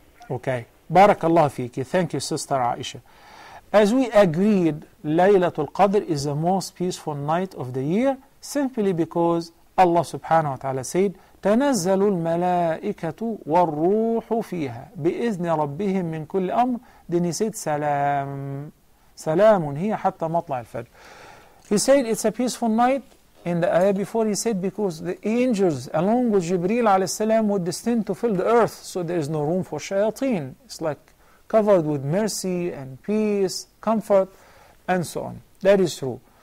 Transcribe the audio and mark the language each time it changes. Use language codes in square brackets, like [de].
[en] Okay, barakallah fiki, thank you, Sister Aisha. As we agreed, Laylatul Qadr is the most peaceful night of the year, simply because Allah subhanahu wa ta'ala said, [ar] تَنَزَّلُ الْمَلَائِكَةُ وَالرُّوحُ فِيهَا بِإِذْنِ رَبِّهِمْ مِنْ كُلِّ أَمْرٍ. [en] Then he said, [ar] سَلَامٌ هِيَ حَتَّى مَطْلَعِ الْفَجْرِ. [en] He said, it's a peaceful night. In the ayah before, he said, because the angels, along with Jibreel alayhi salam, were destined to fill the earth, so there is no room for shayateen. It's like covered with mercy and peace, comfort, and so on. That is true.